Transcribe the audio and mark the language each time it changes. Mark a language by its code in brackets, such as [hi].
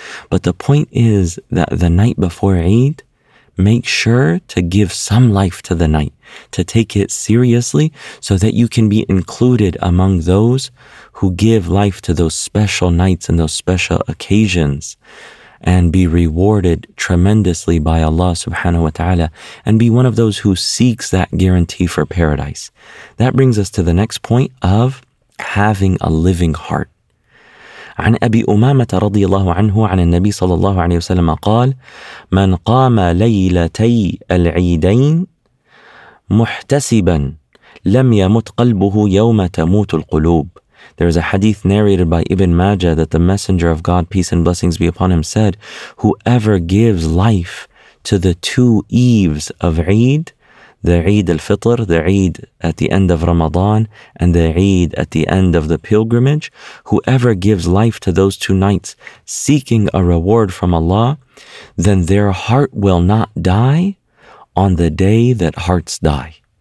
[en] But the point is that the night before Eid, make sure to give some life to the night, to take it seriously so that you can be included among those who give life to those special nights and those special occasions and be rewarded tremendously by Allah subhanahu wa ta'ala and be one of those who seeks that guarantee for paradise. That brings us to the next point of having a living heart. [ar] عن أبي أمامة رضي الله عنه عن النبي صلى الله عليه وسلم قال من قام ليلتي العيدين محتسبا لم يمت قلبه يوم تموت القلوب. [en] There is a hadith narrated by Ibn Majah that the Messenger of God, peace and blessings be upon him, said, whoever gives life to the two eves of Eid, the Eid al-Fitr, the Eid at the end of Ramadan, and the Eid at the end of the pilgrimage, whoever gives life to those two nights seeking a reward from Allah, then their heart will not die on the day that hearts die.